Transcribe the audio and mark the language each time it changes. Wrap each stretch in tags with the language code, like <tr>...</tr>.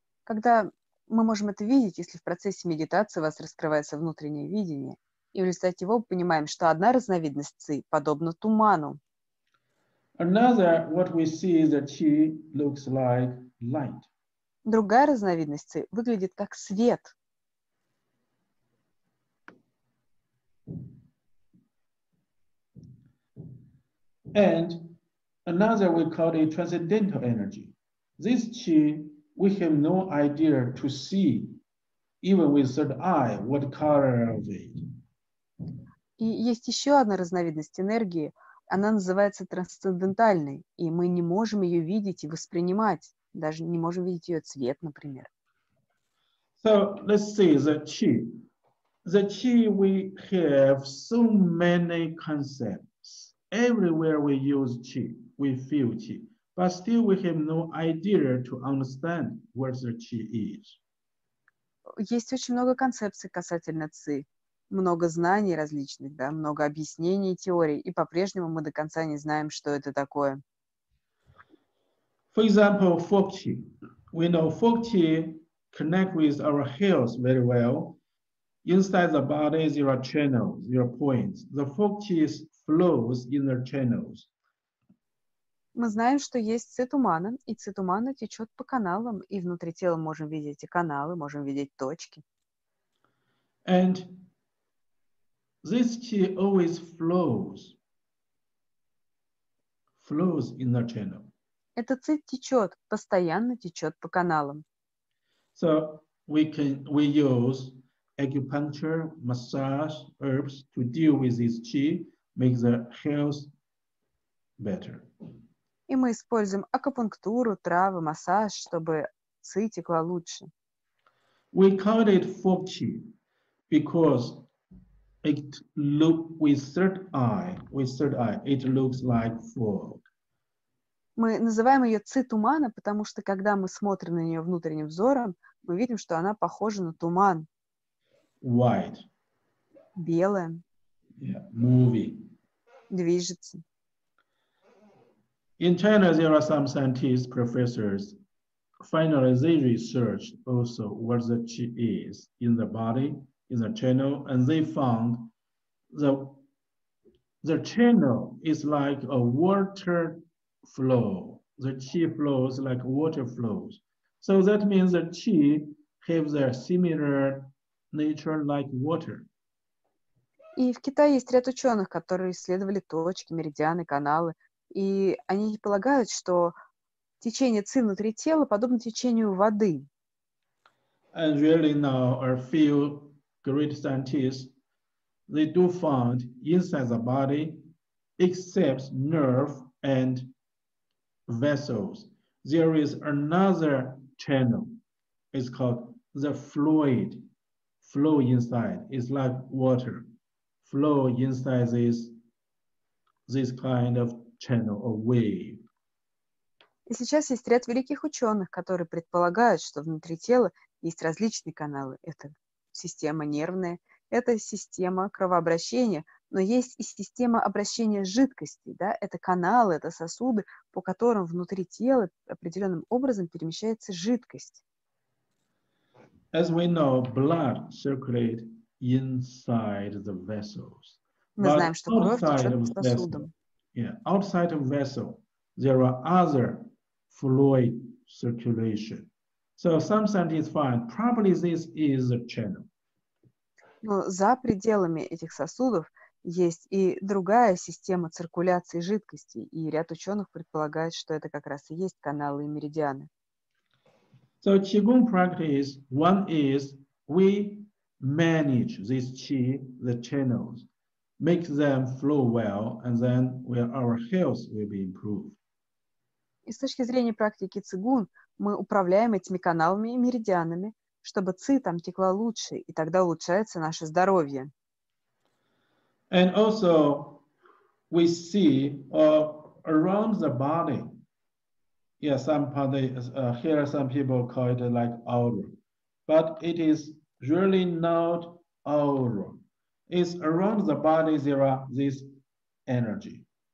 <ru>Когда мы можем это видеть, если в процессе медитации у вас раскрывается внутреннее видение? И в результате его мы понимаем, что одна разновидность ци подобна туману.</ru> <en>Another, what we see is that chi looks like light.</en> <ru>Другая разновидность ци выглядит как свет.</ru> <en>And another we call it transcendental energy. This chi, we have no idea to see, even with third eye, what color of it.</en> <ru>И есть еще одна разновидность энергии, она называется трансцендентальной, и мы не можем ее видеть и воспринимать, даже не можем видеть ее цвет, например.</ru> <en>So, let's see the chi. The chi, we have so many concepts. Everywhere we use chi, we feel chi. But still we have no idea to understand where the chi is.</en> <ru>Есть очень много концепций касательно ци. много знаний различных, да, много объяснений и теорий, и по-прежнему мы до конца не знаем, что это такое.</ru> <en>For example, Fokti. We know Fokti connect with our health very well. Inside the body, there are channels, there are points. The Fokti flows in the channels.</en> <ru>Мы знаем, что есть цитумана, и цитумана течет по каналам, и внутри тела можем видеть и каналы, можем видеть точки.</ru> <en>And this qi always flows in the channel.</en> <ru>Эта ци течет, постоянно течет по каналам.</ru> <en>So we use acupuncture, massage, herbs to deal with this qi, make the health better.</en> <ru>И мы используем акупунктуру, травы, массаж, чтобы ци текла лучше.</ru> <en>We call it Fokti because it look with third eye, it looks like fog.</en> <ru>Мы называем ее ци-тумана, потому что когда мы смотрим на нее внутренним взором, мы видим, что она похожа на туман.</ru> <en>White.</en> <ru>Белая.</ru> <en>Yeah, moving.</en> <ru>Движется.</ru> <en>In China, there are some scientists, professors. Finally, they researched also where the qi is in the body, in the channel, and they found the channel is like a water flow. The qi flows like water flows. So that means the qi have their similar nature like water.</en> <ru>И в Китае есть ряд ученых, которые исследовали точки, меридианы, каналы. И они полагают, что течение ци внутри тела подобно течению воды.</ru> <en>And really now a few great scientists, they do find inside the body, except nerve and vessels, there is another channel. It's called the fluid, flow inside. It's like water, flow inside this kind of channel, a wave.</en> <ru>И сейчас есть ряд великих ученых, которые предполагают, что внутри тела есть различные каналы. Это система нервная, это система кровообращения, но есть и система обращения жидкости, да? Это каналы, это сосуды, по которым внутри тела определенным образом перемещается жидкость.</ru> <en>As we know, blood circulates inside the vessels.</en> <ru>Мы знаем, что кровь течет по сосудам.</ru> <en>Yeah, outside of vessel, there are other fluid circulation. So some scientists find probably this is a channel.</en> <ru>Но за пределами этих сосудов есть и другая система циркуляции жидкости, и ряд ученых предполагает, что это как раз и есть каналы и меридианы.</ru> <en>So qigong practice, one is we manage this qi, the channels. Make them flow well, and then our health will be improved.</en> <ru>И с точки зрения практики цигун, мы управляем этими каналами и меридианами, чтобы ци там текла лучше, и тогда улучшается наше здоровье.</ru> <en>And also, we see around the body, yeah, here some people call it like aura, but it is really not aura. Is around the body there are this energy.</en>